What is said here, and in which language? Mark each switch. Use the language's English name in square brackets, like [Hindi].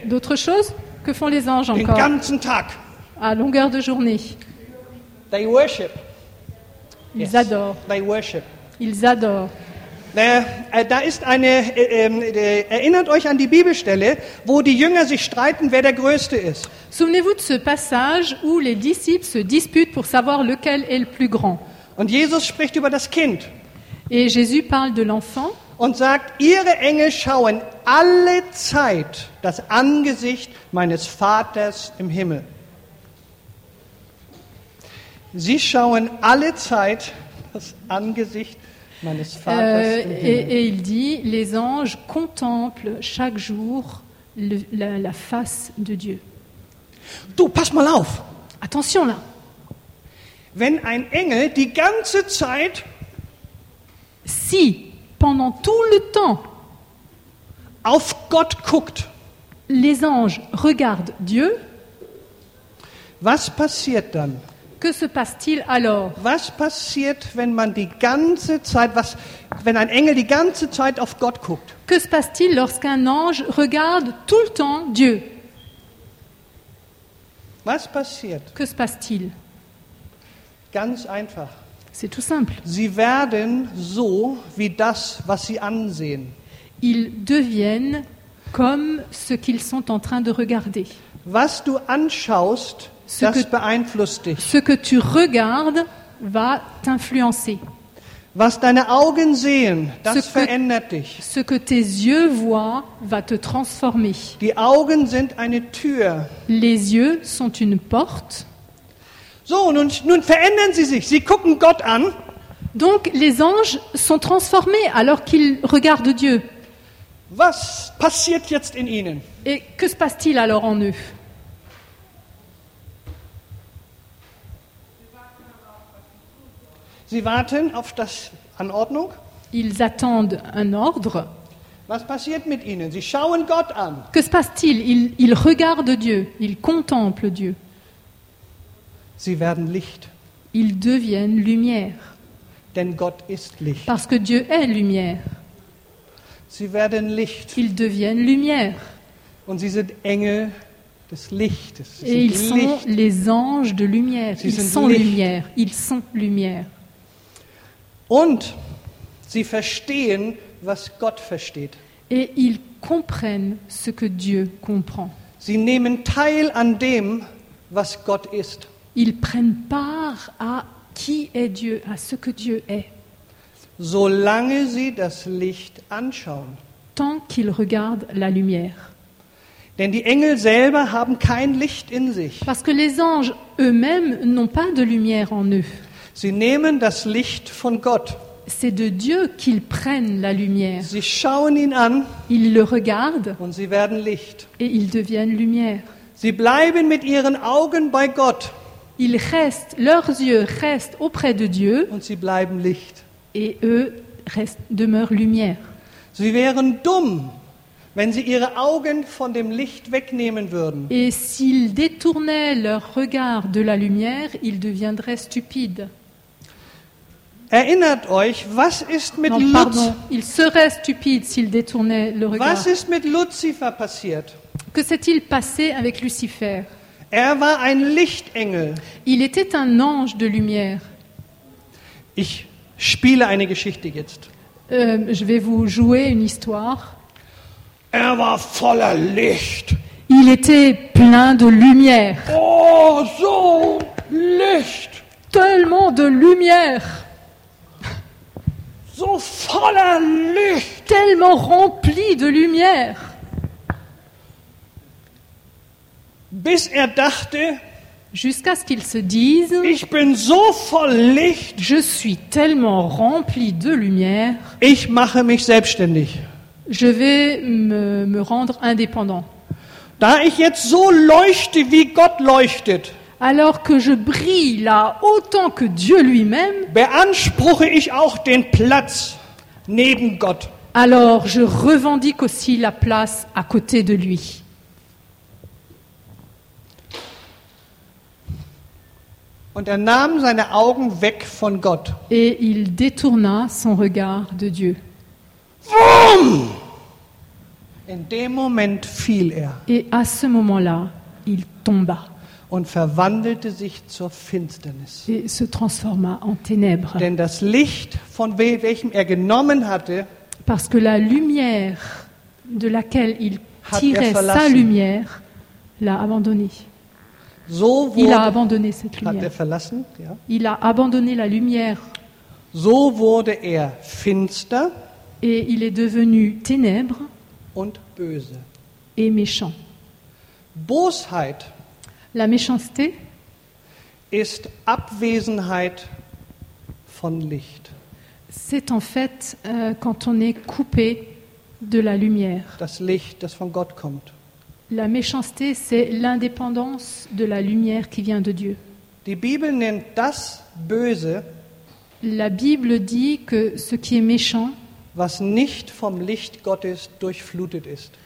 [French] D'autres choses? Que font les anges encore? [German] Den ganzen Tag. [French] À longueur de journée. [English] They worship. [French] Ils adorent. [English] They worship. [French] Ils adorent. [German] Da ist eine, erinnert euch an die Bibelstelle, wo die Jünger sich streiten, wer der Größte ist. [French] Souvenez-vous de ce passage où les disciples se disputent pour savoir lequel est le plus grand. [German] Und Jesus spricht über das Kind. [French] Et Jésus parle de l'enfant. [German] Und sagt, ihre Engel schauen alle Zeit das Angesicht meines Vaters im Himmel. Sie schauen alle Zeit das Angesicht meines Vaters im Himmel. [French] Et il dit, les anges contemplent chaque jour la face de Dieu. [German] Du, pass mal auf. [French] Attention là. [German] Wenn ein Engel die ganze Zeit [French] si pendant tout le temps [German] auf Gott guckt, [French] les anges regardent Dieu, [German] was passiert dann? [French] Que se passe-t-il alors? [German] Was passiert, wenn man die ganze Zeit, wenn ein Engel die ganze Zeit auf Gott guckt? [French] Que se passe-t-il lorsqu'un ange regarde tout le temps Dieu? [German] Was passiert? [French] Que se passe-t-il? [German] Ganz einfach. [French] C'est tout simple. [German] Sie werden so wie das, was sie ansehen. [French] Ils deviennent comme ce qu'ils sont en train de regarder. [German] Was du anschaust, das beeinflusst dich. [French] Ce que tu regardes va t'influencer. [German] Was deine Augen sehen, das verändert dich. [French] Ce que tes yeux voient va te transformer. [German] Die Augen sind eine Tür. [French] Les yeux sont une porte. [German] So, nun verändern sie sich. Sie gucken Gott an. [French] Donc les anges sont transformés alors qu'ils regardent Dieu. [German] Was passiert jetzt in ihnen? [French] Et que se passe-t-il alors en eux? [German] Sie warten auf das Anordnung. [French] Ils attendent un ordre. [German] Was passiert mit ihnen? Sie schauen Gott an. [French] Que se passe-t-il? Ils regardent Dieu. Ils contemplent Dieu. [German] Sie werden Licht. [French] Ils deviennent lumière. [German] Denn Gott ist Licht. [French] Parce que Dieu est lumière. [German] Sie werden Licht. [French] Ils deviennent lumière. [German] Und sie sind Engel des Lichtes. [French] Et ils sont les anges de lumière. Ils sont lumière. Ils sont lumière. [German] Und sie verstehen, was Gott versteht. [French] Et ils comprennent ce que Dieu comprend. [German] Sie nehmen teil an dem, was Gott ist. [French] Ils prennent part à qui est Dieu, à ce que Dieu est. [German] Solange sie das Licht anschauen. [French] Tant qu'ils regardent la lumière. [German] Denn die Engel selber haben kein Licht in sich. [French] Parce que les anges eux-mêmes n'ont pas de lumière en eux. [German] Sie nehmen das Licht von Gott. [French] C'est de Dieu qu'ils prennent la lumière. [German] Sie schauen ihn an. [French] Ils le regardent. [German] Und sie werden Licht. [French] Et ils deviennent lumière. [German] Sie bleiben mit ihren Augen bei Gott. [French] Ils restent, leurs yeux restent auprès de Dieu. [German] Und sie bleiben Licht. [French] Et eux restent, demeurent lumière. [German] Sie wären dumm, wenn sie ihre Augen von dem Licht wegnehmen würden. [French] Et s'ils détournaient leur regard de la lumière, ils deviendraient stupides. [German] Erinnert euch, was ist mit Lot? [French] Il serait stupide s'il détournait le regard. [German] Was ist mit Lucifer passiert? [French] Que s'est-il passé avec Lucifer? [German] Er war ein Lichtengel. [French] Il était un ange de lumière. [German] Ich spiele eine Geschichte jetzt. [French] Je vais vous jouer une histoire. [German] Er war voller Licht. [French] Il était plein de lumière. [German] Oh, so Licht. [French] Tellement de lumière. [German] So voller Licht. [French] Tellement rempli de lumière. [German] Bis er dachte, [French] jusqu'à ce qu'il se dise, [German] ich bin so voll Licht, [French] je suis tellement rempli de lumière, [German] ich mache mich selbstständig. [French] Je vais me rendre indépendant. [German] Da ich jetzt so leuchte, wie Gott leuchtet, [French] alors que je brille là autant que Dieu lui-même, [German] beanspruche ich auch den Platz neben Gott. [French] Alors je revendique aussi la place à côté de lui. [German] Und er nahm seine Augen weg von Gott. [French] Et il détourna son regard de Dieu. [German] Boom! In dem Moment fiel er. [French] Et à ce moment-là, il tomba. [German] Und verwandelte sich zur Finsternis. [French] Et se transforma en ténèbres. [German] Denn das Licht, von welchem er genommen hatte, [French] parce que la lumière de laquelle il tirait sa lumière, l'a abandonné. [German] So wurde, [French] il a abandonné cette lumière. [German] Hat er verlassen, ja. [French] Il a abandonné la lumière. [German] So wurde er finster. [French] Et il est devenu ténèbres. [German] Und böse. [French] Et méchant. [German] Bosheit. [French] La méchanceté. [German] Ist Abwesenheit von Licht. [French] C'est en fait quand on est coupé de la lumière. [German] Das Licht, das von Gott kommt. [French] La méchanceté, c'est l'indépendance de la lumière qui vient de Dieu. [German] Die Bibel nennt das Böse, [French] la Bible dit que ce qui est méchant, [German] was nicht vom Licht Gottes durchflutet ist.